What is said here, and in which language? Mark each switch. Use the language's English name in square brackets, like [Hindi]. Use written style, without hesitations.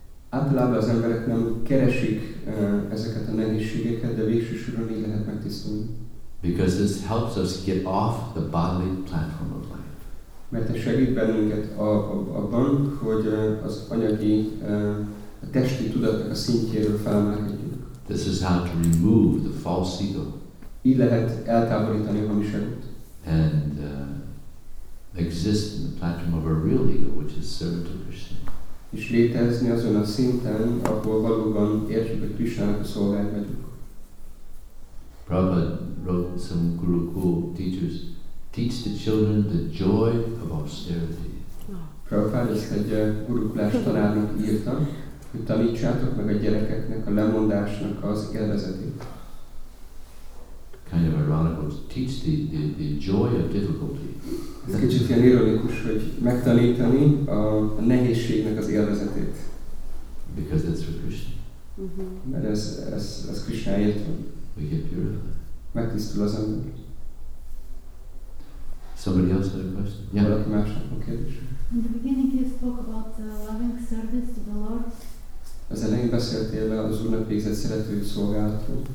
[Hungarian] Általában az emberek nem keresik ezeket a nehézségeket, de végső soron így lehet megtisztulni. [English] Because this helps us get off the bodily platform of life. [Hungarian] Mert ez segít bennünket abban, hogy az anyagi, a testi tudatnak a szintjéről felemelkedjünk. [English] This is how to remove the false ego. [Hungarian] Így lehet eltávolítani a hamis egót. [English] And exist in the platform of a real ego, which is servant to Krishna. [Hungarian] És létezni azon a szinten, ahol valóban értjük, hogy Krisnának a szolgáját vagyunk. [English] Prabhupada wrote some Gurukul teachers, teach the children the joy of austerity. [Hungarian] Prabhupada ezt egy gurukulás tanárnak írta, hogy tanítsátok meg a gyerekeknek a lemondásnak az élvezetét. [English] Kind of ironical, teach the joy of difficulty. [Hungarian] Ez kicsit ilyen ironikus, hogy megtanítani a nehézségnek az élvezetét. [English] Because that's for Krishna. [Hungarian] Mert ez Krishnáért van. [English] We get purified. [Hungarian] Megtisztul az ember. [English] Somebody else had a question? Yeah. [Hungarian] Valaki másnak a kérdés. [English] In the beginning you spoke about loving service to the Lord. [Hungarian] Az elején beszéltél be az Úrnak végzett szerető szolgálatról.